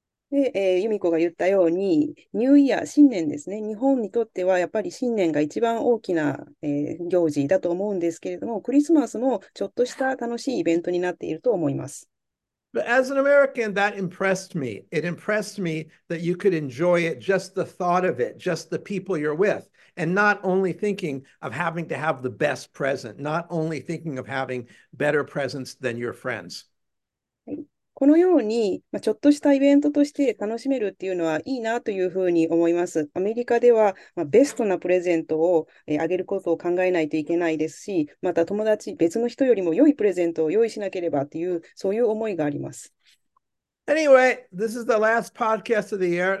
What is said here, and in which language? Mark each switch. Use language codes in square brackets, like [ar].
[ja] で、由美子が言ったように、ニューイヤー、新年ですね。日本にとってはやっぱり新年が一番大きな、行事だと思うんですけれども、クリスマスもちょっとした楽しいイベントになっていると思います。 [en] But as an American, that impressed me. It impressed me that you could enjoy it, just the thought of it, just the people you're with, and not only thinking of having to have the best present, not only thinking of having better presents than your friends. [ja] このように、ちょっとしたイベントとして楽しめるっていうのはいいなというふうに思います。アメリカでは、ベストなプレゼントをあげることを考えないといけないですし、また友達、別の人よりも良いプレゼントを用意しなければっていう、そういう思いがあります。 [en] Anyway, this is the last podcast of the year.